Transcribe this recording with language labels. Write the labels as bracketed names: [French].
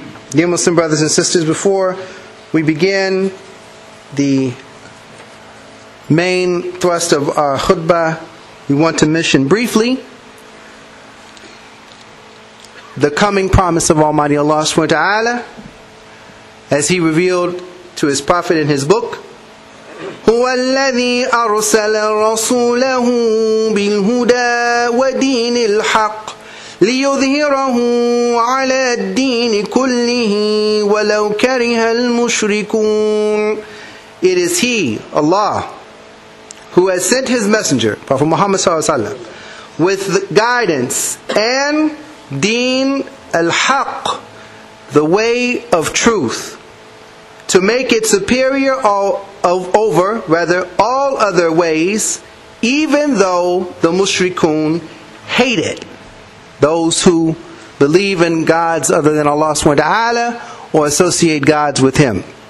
[English] Dear Muslim brothers and sisters, before we begin the main thrust of our khutbah, we want to mention briefly the coming promise of Almighty Allah subhanahu wa ta'ala, as He revealed to His Prophet in His book. [Arabic] هو الذي أرسل رسوله بالهدى ودين الحق ليظهره على الدين كله ولو كره المشركون. [English] It is He, Allah, who has sent His Messenger, Prophet Muhammad sallallahu alaihi wasallam, with guidance and deen al-haq, the way of truth, to make it superior over all other ways, even though the mushrikun hate it, those who believe in gods other than Allah subhanahu wa ta'ala or associate gods with Him.